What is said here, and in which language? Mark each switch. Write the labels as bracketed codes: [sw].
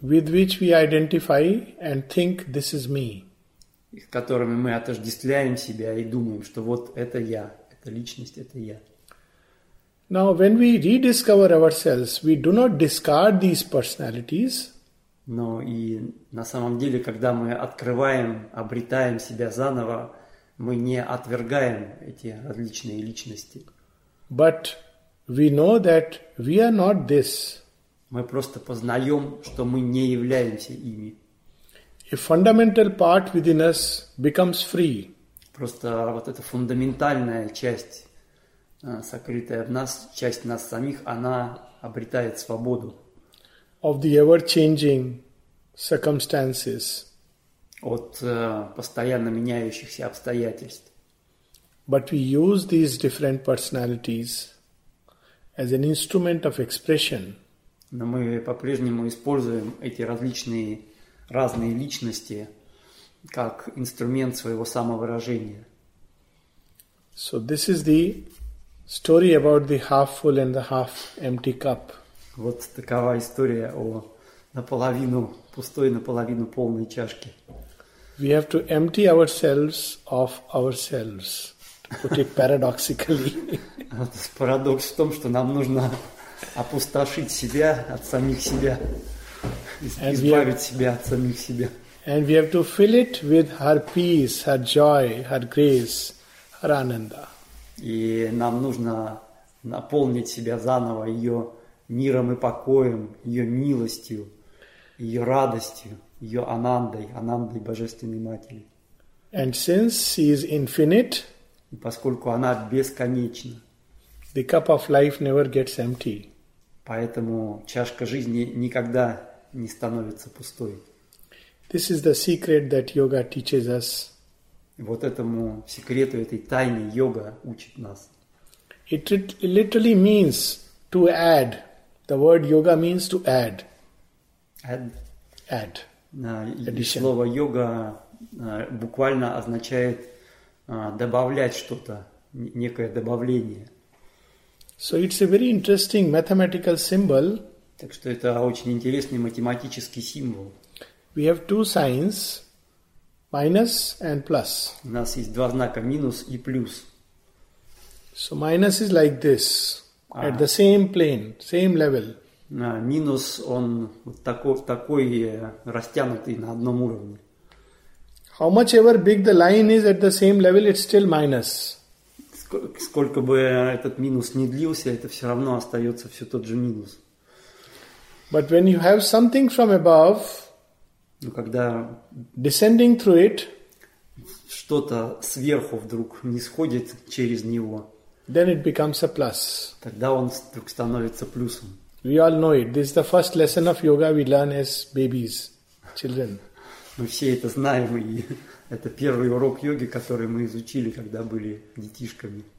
[en] With which we identify and think this is me. [ru] С которыми мы отождествляем себя и думаем, что вот это я, эта личность, это я. [en] Now, when we rediscover ourselves, we do not discard these personalities. [ru] Но и на самом деле, когда мы открываем, обретаем себя заново, мы не отвергаем эти различные личности. [en] But we know that we are not this. [ru] Мы просто познаем, что мы не являемся ими. [en] A fundamental part within us becomes free. [ru] Просто вот эта фундаментальная часть, сокрытая в нас, часть нас самих, она обретает свободу. [en] Of the ever-changing circumstances. [ru] От постоянно меняющихся обстоятельств. [en] But we use these different personalities as an instrument of expression. [ru] Но мы по-прежнему используем эти различные разные личности как инструмент своего самовыражения. [en] So this is the story about the half full and the half empty cup. [ru] Вот такова история о наполовину пустой, наполовину полной чашки. [en] We have to empty ourselves of ourselves, to put it paradoxically. [ru] Парадокс в том, что нам нужно опустошить себя от самих себя, избавить себя от самих себя. [en] And we have to fill it with her peace, her joy, her grace, her ananda. [ru] И нам нужно наполнить себя заново ее миром и покоем, ее милостью, ее радостью, ее анандой, анандой Божественной Матери. [en] And since she is infinite, [ru] и поскольку она бесконечна, [en] the cup of life never gets empty. [ru] Поэтому чашка жизни никогда не становится пустой. [en] This is the secret that yoga teaches us. [ru] Вот этому секрету, этой тайне йога учит нас. [en] It literally means to add. The word yoga means to add. Add? Add. Addition. [ru] Слово йога буквально означает добавлять что-то, некое добавление. [en] So it's a very interesting mathematical symbol. [ru] Так что это очень интересный математический символ. [en] We have two signs. Minus and plus. [ru] У нас есть два знака, минус и плюс. [en] So minus is like this, at the same plane, same level. [ru] Минус, он вот такой растянутый на одном уровне. [en] How much ever big the line is at the same level, it's still minus. [ru] Сколько бы этот минус ни длился, это все равно остается все тот же минус. [en] But when you have something from above, [ru] но когда [en] descending through it, [ru] что-то сверху вдруг нисходит через него, [en] then it becomes a plus. [ru] Тогда он вдруг становится плюсом. [en] We all know it. This is the first lesson of yoga we learn as babies, children. [ru] Мы все это знаем, и это первый урок йоги, который мы изучили, когда были детишками.